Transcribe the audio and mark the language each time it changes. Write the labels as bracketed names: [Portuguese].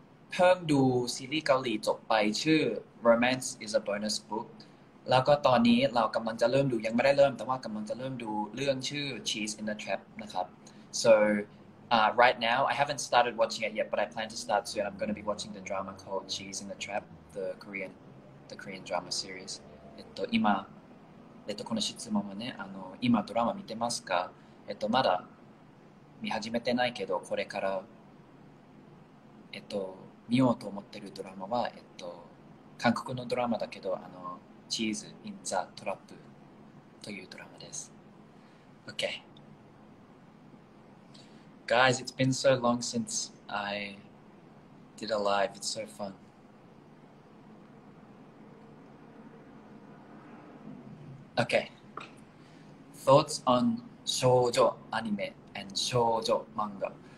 [Thai] เพิ่งดูซีรีส์เกาหลีจบไปชื่อ Romance is a Bonus Book แล้วก็ตอนนี้เรากำลังจะเริ่มดูยังไม่ได้เริ่มแต่ว่ากำลังจะเริ่มดูเรื่องชื่อ Cheese in the Trap นะครับ [English] So right now I haven't started watching it yet but I plan to start soon I'm going to be watching the drama called Cheese in the Trap the Korean drama series [Japanese] 今この質問はね、今ドラマ見てますか？まだ見始めてないけど、これから、見ようと思ってるドラマは、韓国のドラマだけど、チーズ・イン・ザ・トラップというドラマです。 OK。 [English] Guys, it's been so long since I did a live. It's so fun. Okay. Thoughts on shoujo anime and shoujo manga.